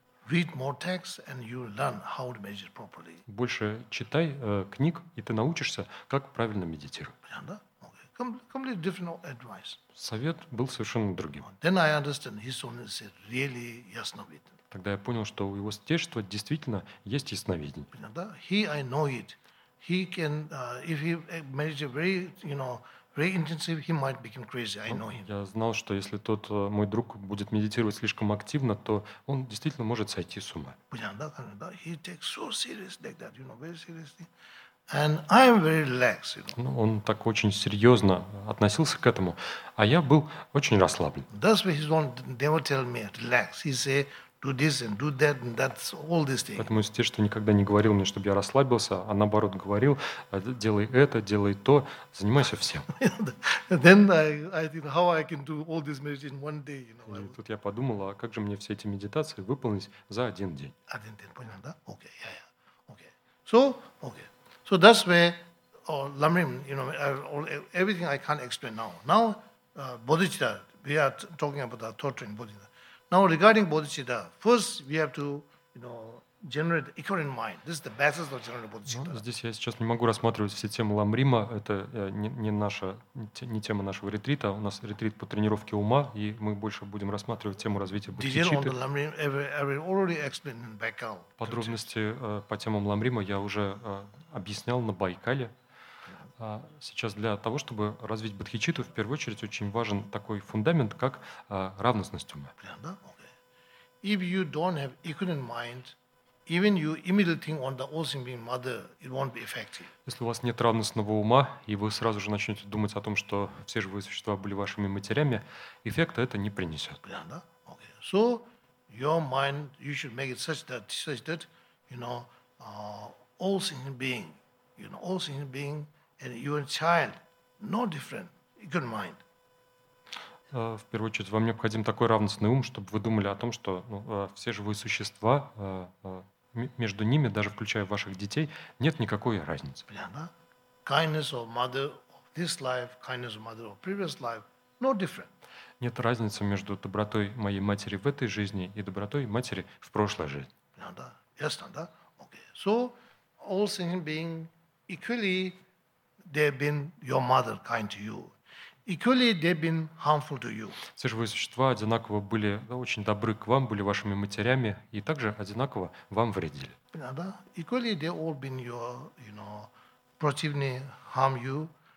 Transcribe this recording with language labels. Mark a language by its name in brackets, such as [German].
[English] Read more texts and you learn how to meditate properly. [Russian] Больше читай книг, и ты научишься, как правильно медитировать. [English] Completely different advice. [Russian] Совет был совершенно другим. [English] Then I understand his son said really [Russian] ясновиден. Тогда я понял, что у его святейшества действительно есть ясновидение. [English] He, I know it. He can, if he meditates very, you know, very intensive, he might become crazy. I know him. [Russian] Я знал, что если тот мой друг будет медитировать слишком активно, то он действительно может сойти с ума. [English] He takes so serious like that, you know, very seriously. And I am very relaxed, you know. [Russian] Он так очень серьезно относился к этому, а я был очень расслаблен. [English] That's why his own devil tell me relax. He say do this and do that and that's all this thing. [Russian] Поэтому те, что никогда не говорил мне, чтобы я расслабился, а наоборот говорил: делай это, делай то, занимайся всем. [English] Then I think how I can do all this meditation one day, you know. [Russian] И тут я подумал, а как же мне все эти медитации выполнить за один день? Один день, понял, да? [English] Okay, yeah. Okay. So, okay. So that's where Lamrim, you know, everything I can't explain now. Now Bodhicitta, we are talking about the torture in Bodhicitta. Now regarding Bodhicitta, first we have to, you know, generate equivalent mind. This is the basis of generating Bodhicitta. [Russian] Ну, здесь я сейчас не могу рассматривать все темы Ламрима. Это не тема нашего ретрита. У нас ретрит по тренировке ума, и мы больше будем рассматривать тему развития Бодхичитты. Подробности по темам Ламрима я уже объяснял на Байкале. Сейчас для того, чтобы развить Бодхичитту, в первую очередь очень важен такой фундамент, как равностность ума. [English] If you don't have equivalent mind, even you immediately think on the all being mother, it won't be effective. [Russian] Если у вас нет равностного ума, и вы сразу же начнете думать о том, что все живые существа были вашими матерями, эффекта это не принесет. [English] Okay. So your mind, you should make it such that, you know, all sentient being, you know, all sentient being and your child, no different, equal mind. [Russian] В первую очередь, вам необходим такой равностный ум, чтобы вы думали о том, что все живые существа, между ними, даже включая ваших детей, нет никакой разницы. [English] Kindness of mother of this life, kindness of mother of previous life, no different. [Russian] Нет разницы между добротой моей матери в этой жизни и добротой матери в прошлой жизни. Ясно, да? Okay. [English] So, all sentient being equally, they've been your mother kind to you. Equally, they've been harmful to you. [Russian] Все живые существа одинаково были очень добры к вам, были вашими матерями, и также одинаково вам вредили. [English] Equally, they've all been your, you know, [Russian] противные, [English] harm you.